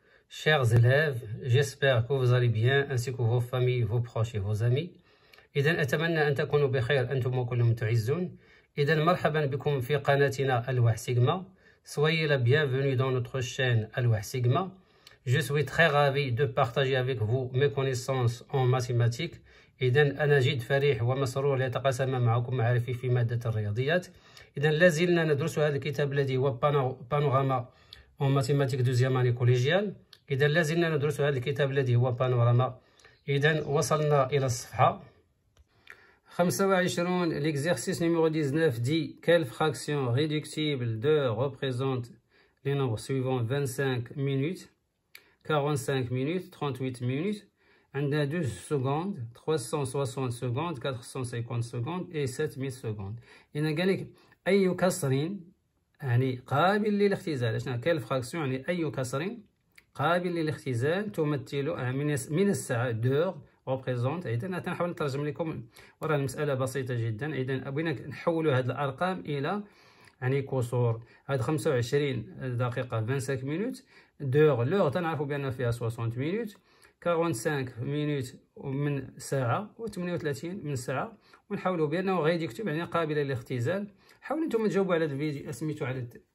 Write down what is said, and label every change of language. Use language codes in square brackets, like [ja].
[fr] Chers élèves, j'espère que vous allez bien ainsi que vos familles, vos proches et vos amis. [ar] إذن أتمنى أن تكونوا بخير أنتم وكلهم تعزون. إذن مرحبا بكم في قناتنا ألواح سيغما. [fr] Soyez la bienvenue dans notre chaîne ألواح سيغما. Je suis très ravi de partager avec vous mes connaissances en mathématiques. [ar] إذن أنا جد فرح ومسرور لأتقاسم معكم معرفي في مادة الرياضيات. إذن لازلنا ندرس هذا الكتاب الذي هو بانوراما [fr] en mathématiques deuxième année collégiale. [ar] إذن لازلنا ندرس هذا الكتاب الذي هو بانوراما. إذن وصلنا إلى الصفحة 25. [fr] L'exercice numéro 19 dit quelle fraction réductible de représente les nombres suivants 25 minutes, 45 minutes, 38 minutes, 2 secondes, 360 secondes, 450 secondes et 7000 secondes. Il n'a gagné [ar] أي كسر يعني قابل للاختزال اشنا كاين الفراكسيون يعني اي كسر قابل للاختزال تمثل من الساعه دور ريبريزونت اذا تنحاول نترجم لكم وراء المساله بسيطه جدا اذا بغينا نحولوا هذه الارقام الى يعني كسور هذا 25 دقيقه 25 مينوت دور لور تنعرفوا بان فيها 60 مينوت 45 مينوت من ساعه و 38 من ساعه ونحاولوا بانه غادي يكتب يعني قابله للاختزال حاولوا نتوما تجاوبوا على الفيديو اسميتوا على